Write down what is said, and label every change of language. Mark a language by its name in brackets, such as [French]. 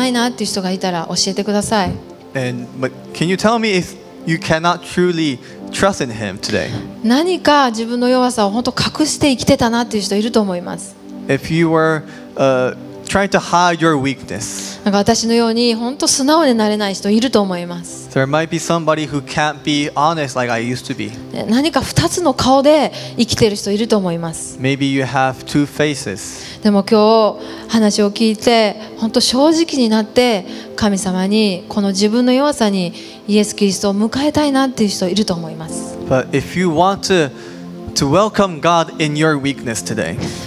[Japanese] もし今日そんな神様に対して何か信頼できてないなっていう人がいたら教えてください。 [English] And but can you tell me if you cannot truly trust in him today? [Japanese] 何か自分の弱さを本当隠して生きてたなっていう人いると思います。 [English] If you were trying to hide your weakness. [Japanese] なんか私のように本当素直になれない人いると思います。 [English] There might be somebody who can't be honest like I used to be. [Japanese] 何か2つの顔で生きてる人いると思います。 [English] Maybe you have two faces. [Japanese] でも今日話を聞いて本当正直になって神様にこの自分の弱さにイエスキリストを迎えたいなっていう人いると思います。 [English] But if you want to welcome God in your weakness today,